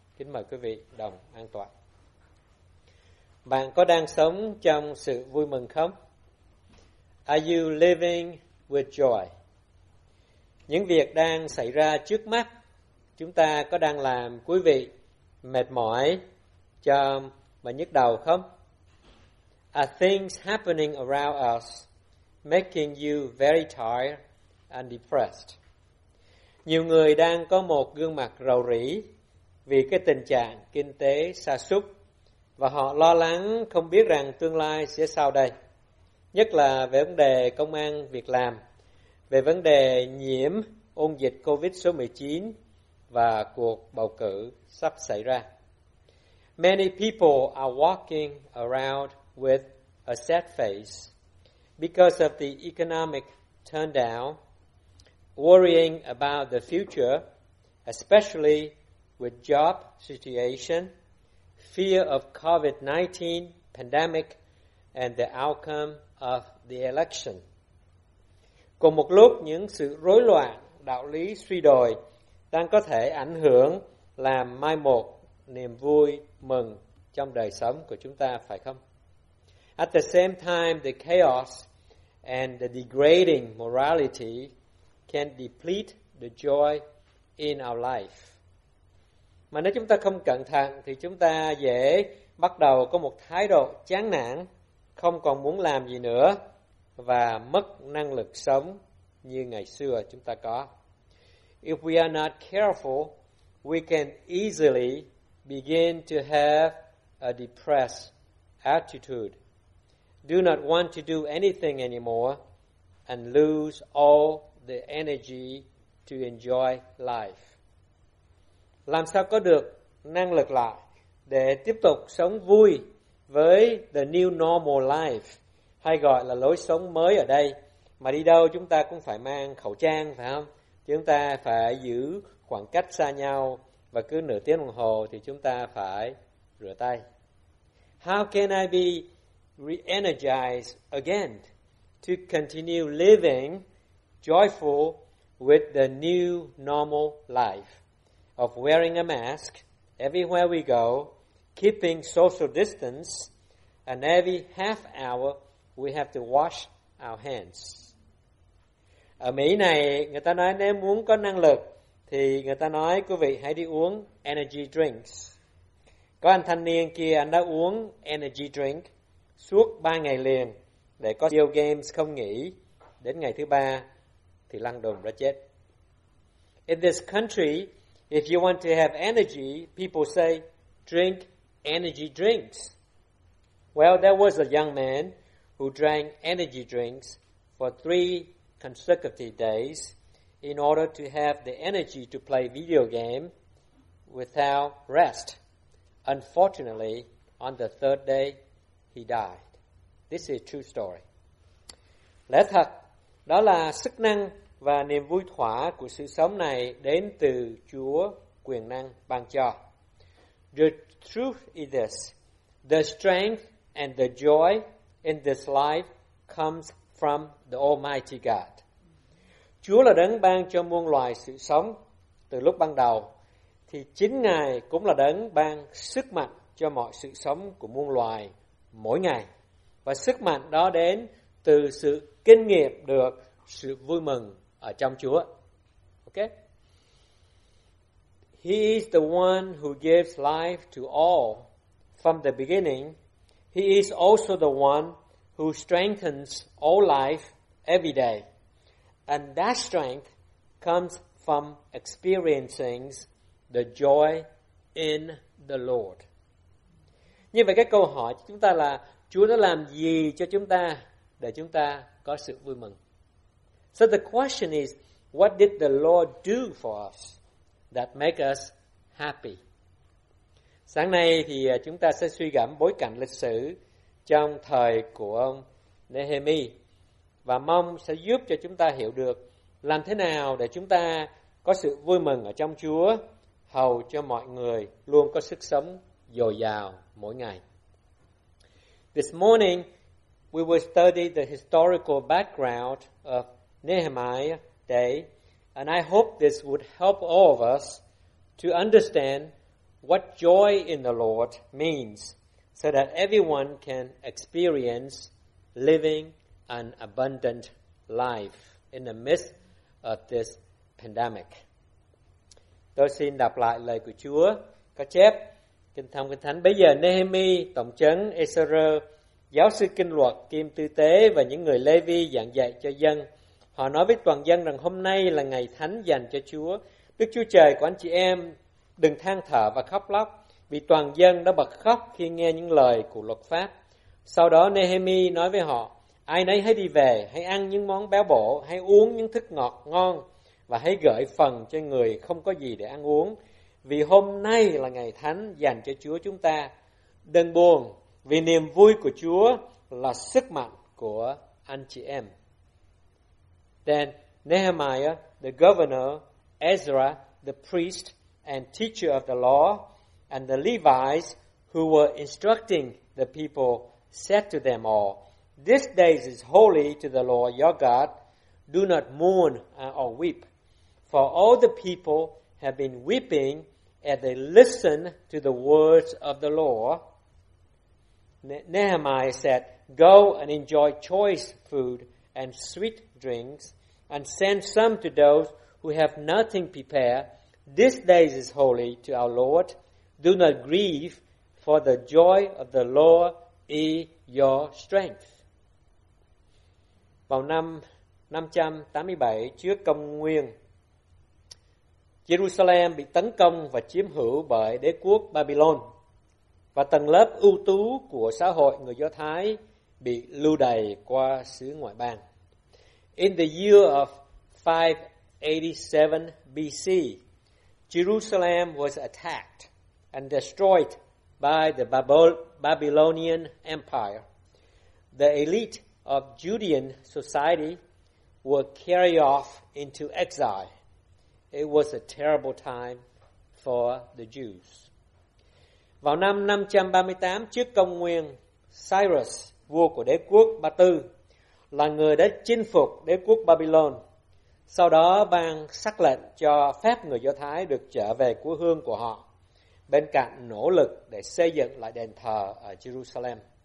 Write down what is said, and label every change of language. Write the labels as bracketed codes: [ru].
[vi] Kính mời quý vị đồng an tọa. Bạn có đang sống trong sự vui mừng không? [en] Are you living with joy? [vi] Những việc đang xảy ra trước mắt chúng ta có đang làm quý vị mệt mỏi cho và nhức đầu không? [en] Are things happening around us making you very tired and depressed? [vi] Nhiều người đang có một gương mặt rầu rĩ vì cái tình trạng kinh tế sa sút, và họ lo lắng không biết rằng tương lai sẽ sao đây, nhất là về vấn đề công ăn việc làm, về vấn đề nhiễm ôn dịch COVID số 19 và cuộc bầu cử sắp xảy ra. [en] Many people are walking around with a sad face because of the economic turndown, worrying about the future, especially with job situation, fear of COVID-19 pandemic, and the outcome of the election. [vi] Cùng một lúc, những sự rối loạn, đạo lý suy đồi đang có thể ảnh hưởng làm mai một niềm vui mừng trong đời sống của chúng ta, phải không? [en] At the same time, the chaos and the degrading morality can deplete the joy in our life. [vi] Mà nếu chúng ta không cẩn thận thì chúng ta dễ bắt đầu có một thái độ chán nản, không còn muốn làm gì nữa và mất năng lực sống như ngày xưa chúng ta có. [en] If we are not careful, we can easily begin to have a depressed attitude. Do not want to do anything anymore and lose all the energy to enjoy life. [vi] làm sao có được năng lực lại để tiếp tục sống vui với [en] the new normal life, [vi] hay gọi là lối sống mới ở đây. Mà đi đâu chúng ta cũng phải mang khẩu trang, phải không? Chúng ta phải giữ khoảng cách xa nhau, và cứ nửa tiếng đồng hồ thì chúng ta phải rửa tay. [en] How can I be re-energized again to continue living joyful with the new normal life of wearing a mask everywhere we go, keeping social distance, and every half hour we have to wash our hands? [vi] Ở Mỹ này, người ta nói nếu muốn có năng lực thì người ta nói quý vị hãy đi uống energy drinks. Có anh thanh niên kia, anh đã uống energy drink suốt 3 ngày liền để có video games không nghỉ. Đến ngày thứ 3 thì lăn đùm ra chết. [en] In this country, if you want to have energy, people say drink energy drinks. Well, there was a young man who drank energy drinks for 3 consecutive days in order to have the energy to play video game without rest. Unfortunately, on the 3rd day, he died. This is a true story. [vi] Lẽ thật, đó là sức năng và niềm vui thỏa của sự sống này đến từ Chúa quyền năng ban cho. [en] The truth is this. The strength and the joy in this life comes from the Almighty God. [vi] Chúa là đấng ban cho muôn loài sự sống từ lúc ban đầu, thì chính Ngài cũng là đấng ban sức mạnh cho mọi sự sống của muôn loài mỗi ngày. Và sức mạnh đó đến từ sự kinh nghiệm được sự vui mừng ở trong Chúa. [en] Okay? He is the one who gives life to all from the beginning. He is also the one who strengthens all life every day. And that strength comes from experiencing the joy in the Lord. [vi] Như vậy cái câu hỏi của chúng ta là Chúa đã làm gì cho chúng ta để chúng ta có sự vui mừng? [en] So the question is, what did the Lord do for us that make us happy? [vi] Sáng nay thì chúng ta sẽ suy gẫm bối cảnh lịch sử trong thời của ông Nehemiah, và mong sẽ giúp cho chúng ta hiểu được làm thế nào để chúng ta có sự vui mừng ở trong Chúa, hầu cho mọi người luôn có sức sống dồi dào mỗi ngày. [en] This morning, we will study the historical background of Nehemiah Day, and I hope this would help all of us to understand what joy in the Lord means, so that everyone can experience living an abundant life in the midst of this pandemic. [vi] Tôi xin đọc lại lời của Chúa có chép Kinh Thông Kinh Thánh. Bây giờ Nehemiah, tổng trấn Ezra, giáo sư kinh luật, kim tư tế và những người Lê-vi giảng dạy cho dân. Họ nói với toàn dân rằng hôm nay là ngày thánh dành cho Chúa. Đức Chúa Trời của anh chị em đừng than thở và khóc lóc, vì toàn dân đã bật khóc khi nghe những lời của luật pháp. Sau đó Nehemiah nói với họ, ai nấy hãy đi về, hãy ăn những món béo bổ, hãy uống những thức ngọt ngon, và hãy gửi phần cho người không có gì để ăn uống, vì hôm nay là ngày thánh dành cho Chúa chúng ta. Đừng buồn, vì niềm vui của Chúa là sức mạnh của anh chị em. [en] Then Nehemiah, the governor, Ezra, the priest and teacher of the law, and the Levites who were instructing the people said to them all, this day is holy to the Lord your God. Do not mourn or weep. For all the people have been weeping as they listen to the words of the law. Nehemiah said, go and enjoy choice food and sweet drinks, and send some to those who have nothing prepared. This day is holy to our Lord. Do not grieve, for the joy of the Lord is your strength. [vi] Vào năm 587 trước Công Nguyên, Jerusalem bị tấn công và chiếm hữu bởi đế quốc Babylon, và tầng lớp ưu tú của xã hội người Do Thái bị lưu đày qua xứ ngoại bang. [en] In the year of 587 BC, Jerusalem was attacked and destroyed by the Babylonian Empire. The elite of Judean society were carried off into exile. It was a terrible time for the Jews. [vi] Vào năm 538 trước công nguyên, Cyrus, vua của đế quốc Ba Tư, là người đã chinh phục đế quốc Babylon. Sau đó ban sắc lệnh cho phép người Do Thái được trở về quê hương của họ, bên cạnh nỗ lực để xây dựng lại đền thờ ở Jerusalem.